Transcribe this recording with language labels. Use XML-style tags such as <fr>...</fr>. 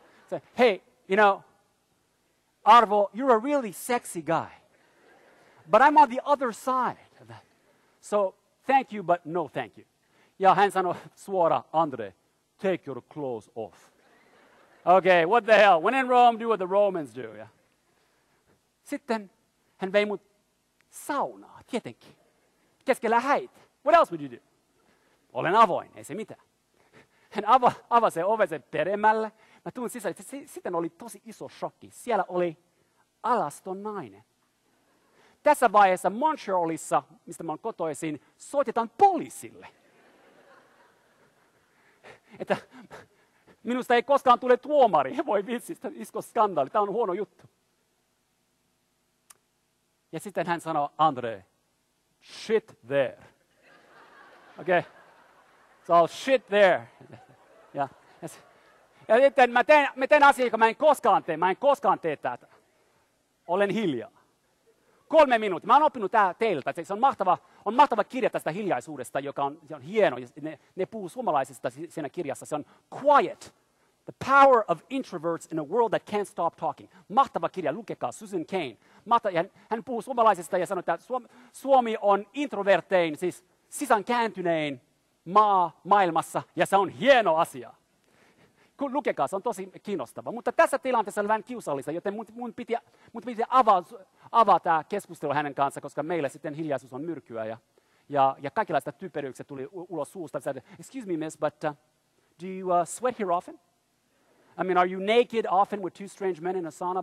<en>So, hey, you know, Arvo, you're a really sexy guy. But I'm on the other side of that. So, thank you, but no thank you.</en> <fi>Ja hän sanoi suoraan,</fi> <en>Andre, take your clothes off. Okay, what the hell? When in Rome, do what the Romans do. Yeah?</en> <fi>Sitten hän vei mut saunaa, tietenkin. Keskellä häit.</fi> <en>What else would you do?</en> <fi>Olen avoin, ei se mitään. Hän avasi sen oven sen peremmälle. Mä tulin sisälle. Sitten oli tosi iso shokki. Siellä oli alaston nainen. Tässä vaiheessa Montrealissa, mistä mä oon kotoisin, soitetaan poliisille. Että minusta ei koskaan tule tuomari. Voi vitsi, isko skandaali. Tämä on huono juttu. Ja sitten hän sanoi, Andre,</fi> <en>shit there.</en> <fi>Okei. Okay.</fi> <en>So shit there.</en> <fi>Ja sitten mä teen asia, joka mä en koskaan tee tätä. Olen hiljaa. 3 minuuttia. Mä oon oppinut tää teiltä. Se on mahtava kirja tästä hiljaisuudesta, joka on hieno. Ne puhuu suomalaisista siinä kirjassa. Se on Quiet.</fi> <en>The Power of Introverts in a World That Can't Stop Talking.</en> <fi>Mahtava kirja, lukekaa, Susan Cain. Hän puhuu suomalaisista ja sanoo, että Suomi on introvertein, siis sisäänkääntynein maailmassa, ja se on hieno asia. Kun lukekaa, se on tosi kiinnostava. Mutta tässä tilanteessa oli vähän kiusallista, joten mun piti avaa tämä keskustelu hänen kanssaan, koska meillä sitten hiljaisuus on myrkyä, ja kaikenlaista typeryyksiä tuli ulos suusta.</fi> <en>Excuse me, miss, but do you sweat here often? I mean, are you naked often with two strange men in a sauna?</en>